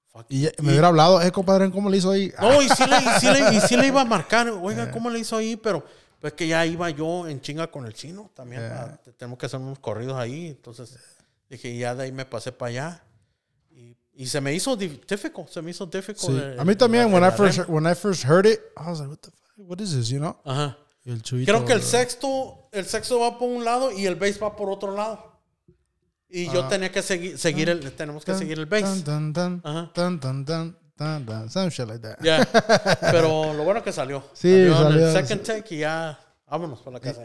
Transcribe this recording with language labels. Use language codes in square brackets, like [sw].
[es] Y me hubiera hablado, compadre, ¿cómo le hizo ahí? No, y sí le iba a marcar. Oiga, ¿cómo le hizo ahí? Pero pues que ya iba yo en chinga con el chino también. [en] Yeah. [es] Tenemos que hacer unos corridos ahí, entonces... Dije, ya de ahí me pasé para allá. Y se me hizo difícil. Se me hizo difícil. Sí. A mí también, [en] when I first heard it, I was like, what the fuck? What is this, you know? [es] Ajá. Y el Chuyito, creo que el sexto va por un lado y el bass va por otro lado. Y yo tenía que seguir el... Tenemos que seguir el bass. [en] Dun, some shit like that. Yeah. [es] Pero lo bueno que salió. Sí, salió. El [en] second take [es] y ya... Vámonos para la casa.